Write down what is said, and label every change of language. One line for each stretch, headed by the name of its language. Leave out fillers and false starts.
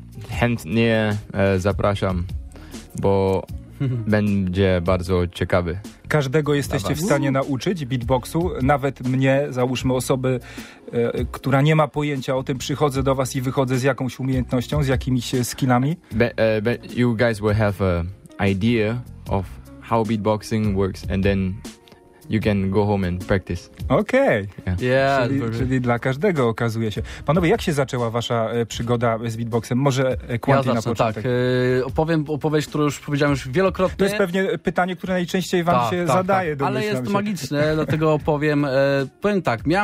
Polish: Chętnie zapraszam, bo będzie bardzo ciekawy. każdego jesteście w stanie nauczyć beatboxu. Nawet mnie, załóżmy osoby, która nie ma pojęcia o tym, przychodzę do was i wychodzę z jakąś umiejętnością, z jakimiś skillami.
English: But you guys will have an idea of how beatboxing works and then you can go home and practice. Okay. Yeah. Yeah,
Polish: czyli dla każdego okazuje się. Panowie, jak się zaczęła wasza przygoda z beatboxem? Może Quanti ja na początek? Tak, opowiem opowieść, którą już powiedziałem już wielokrotnie. To jest pewnie pytanie, które najczęściej wam się zadaje. Tak. Ale jest magiczne, dlatego opowiem. Powiem tak, miałem...